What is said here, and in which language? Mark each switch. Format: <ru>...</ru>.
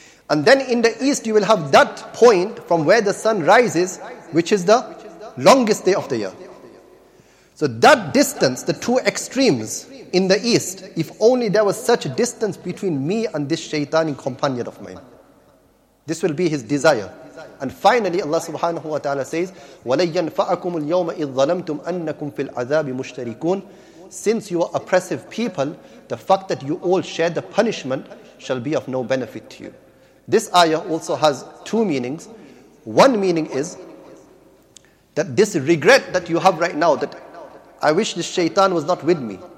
<en>And then in the east, you will have that point from where the sun rises, which is the longest day of the year. So that distance, the two extremes in the east, if only there was such a distance between me and this shaitani companion of mine. This will be his desire. And finally, Allah subhanahu wa ta'ala says,</en> <ar>وَلَيَّنْفَأَكُمُ الْيَوْمَ إِذْ ظَلَمْتُمْ أَنَّكُمْ فِي الْعَذَابِ مُشْتَرِكُونَ.</ar> <en>Since you are oppressive people, the fact that you all share the punishment shall be of no benefit to you. This ayah also has two meanings. One meaning is that this regret that you have right now, that I wish this shaitan was not with me.</en>